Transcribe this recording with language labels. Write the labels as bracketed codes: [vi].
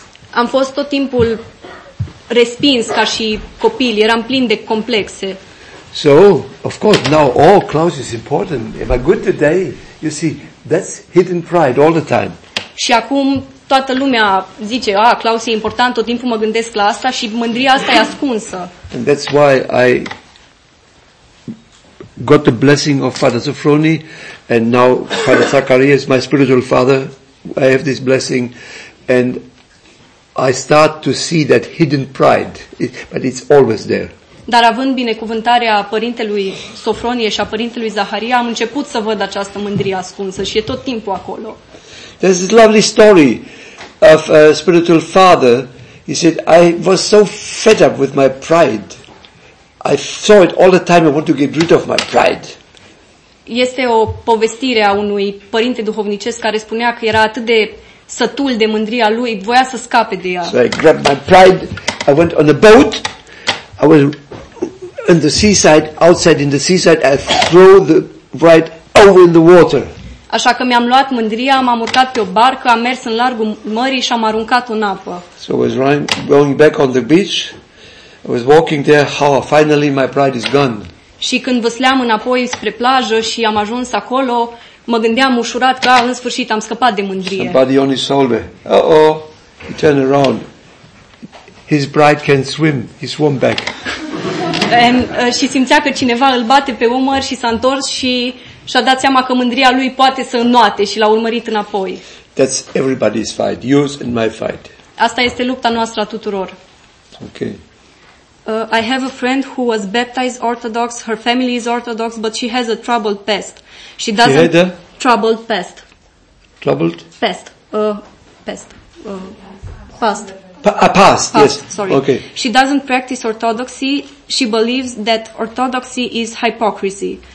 [ro] Am fost tot timpul respins ca și copil, eram plin de complexe. [en] So, of course, now all Klaus is important. Am I good today? You see, that's hidden pride all the time. [ro] Și acum toată lumea zice, ah, Klaus e important, tot timpul mă gândesc la asta și mândria asta e ascunsă. [en] And that's why I got the blessing of Father Sofronie and now Father Zacharias is my spiritual father. I have this blessing and I start to see that hidden pride, but it's always there. [ro] Dar având binecuvântarea părintelui Sofronie și a părintelui Zaharia, am început să văd această mândrie ascunsă și e tot timpul acolo. [en] There's this lovely story of a spiritual father. He said, I was so fed up with my pride. I saw it all the time. I want to get rid of my pride. [ro] Este o povestire a unui părinte duhovnicesc care spunea că era atât de sătul de mândria lui, voia să scape de ea. [en] So I grabbed my pride. I went on a boat. I was in the seaside, outside in the seaside. I threw the pride over in the water. [ro] Așa că mi-am luat mândria, m-am urcat pe o barcă, am mers în largul mării și am aruncat în apă. [en] So I was running, going back on the beach. I was walking there, how finally my pride is gone. [ro] Și când vâsleam înapoi spre plajă și am ajuns acolo, mă gândeam ușurat că în sfârșit am scăpat de mândrie. [en] Somebody on his shoulder. Uh-oh. He turned around. His pride can swim. He swam back. [ro] Și simțea că cineva îl bate pe umăr și s-a întors și și-a dat seama că mândria lui poate să înoate și l-a urmărit înapoi. [en] That's everybody's fight, yours and my fight. [ro] Asta este lupta noastră a tuturor. [en] Okay. I have a friend who was baptized Orthodox. Her family is Orthodox, but she has a troubled past. She doesn't. She had a troubled past. Troubled? Past. Past. Past. Past. Yes. Sorry. Okay. She doesn't practice Orthodoxy. She believes that Orthodoxy is hypocrisy.